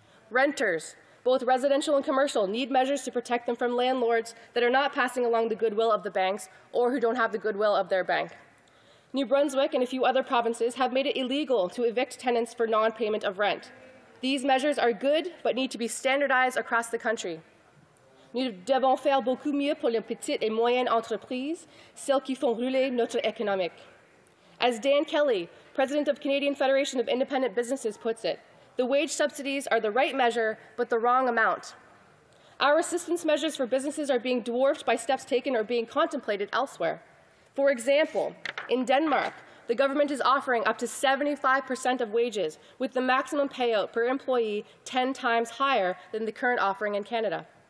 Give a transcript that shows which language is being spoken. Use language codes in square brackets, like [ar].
[en] Renters, both residential and commercial, need measures to protect them from landlords that are not passing along the goodwill of the banks or who don't have the goodwill of their bank. New Brunswick and a few other provinces have made it illegal to evict tenants for non-payment of rent. These measures are good, but need to be standardized across the country. [fr] Nous devons faire beaucoup mieux pour les petites et moyennes entreprises, celles qui font rouler notre économie. [en] As Dan Kelly, president of Canadian Federation of Independent Businesses, puts it, the wage subsidies are the right measure, but the wrong amount. Our assistance measures for businesses are being dwarfed by steps taken or being contemplated elsewhere. For example, in Denmark, the government is offering up to 75% of wages, with the maximum payout per employee 10 times higher than the current offering in Canada.